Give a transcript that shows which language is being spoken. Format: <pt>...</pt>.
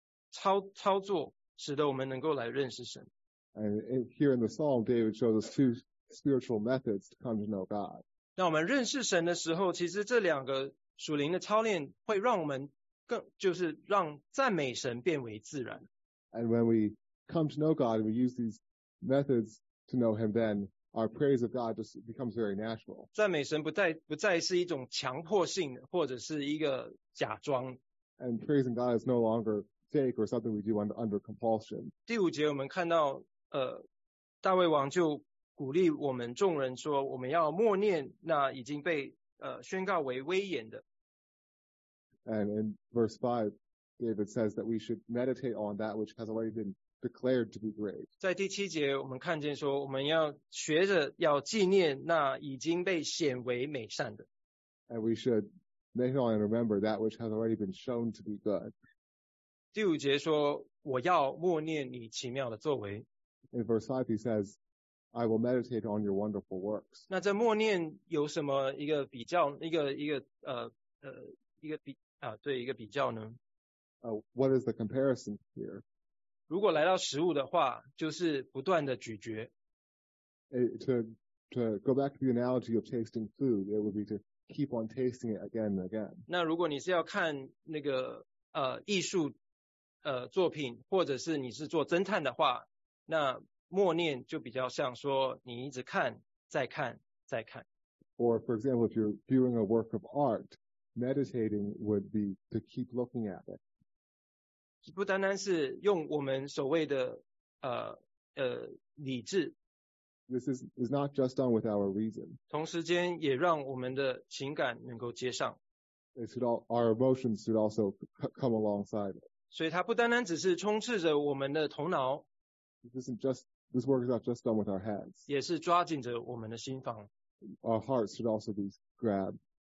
<zh>操作，使得我们能够来认识神。</zh> <en>And here in the Psalm, David shows us two spiritual methods to come to know God.</en> <zh>那我们认识神的时候，其实这两个属灵的操练会让我们更，就是让赞美神变为自然。</zh> <en>And when we come to know God, we use these methods to know Him, then our praise of God just becomes very natural.</en> <zh>赞美神不再是一种强迫性或者是一个假装。</zh> <en>And praising God is no longer fake or something we do under compulsion.</en> <zh>第五节我们看到，大卫王就鼓励我们众人说，我们要默念那已经被宣告为威严的。</zh> <en>And in verse 5, David says that we should meditate on that which has already been declared to be great.</en> <zh>在第七节我们看见说，我们要学着要纪念那已经被显为美善的。</zh> <en>And we should meditate on and remember that which has already been shown to be good.</en> <zh>第五节说，我要默念你奇妙的作为。</zh> <en>In verse 5 he says, I will meditate on your wonderful works.</en> <zh>那这默念有什么一个比较，一个比啊，对，一个比较呢？</zh> <en>What is the comparison here?</en> <zh>如果来到食物的话，就是不断的咀嚼。</zh> <en>To go back to the analogy of tasting food, it would be to keep on tasting it again and again.</en> <zh>那如果你是要看那个艺术作品，或者是你是做侦探的话，那默念就比较像说你一直看，再看，再看。</zh> <en>Or for example, if you're viewing a work of art, meditating would be to keep looking at it.</en> <zh>不单单是用我们所谓的理智。</zh> <en>This is not just done with our reason.</en> <zh>同时间也让我们的情感能够接上。</zh> <en>Our emotions should also come alongside it.</en> <zh>所以它不单单只是充斥着我们的头脑。</zh> <en>This work is not just done with our hands.</en> <zh>也是抓紧着我们的心房。</zh> <en>Our hearts should also be grabbed.</en>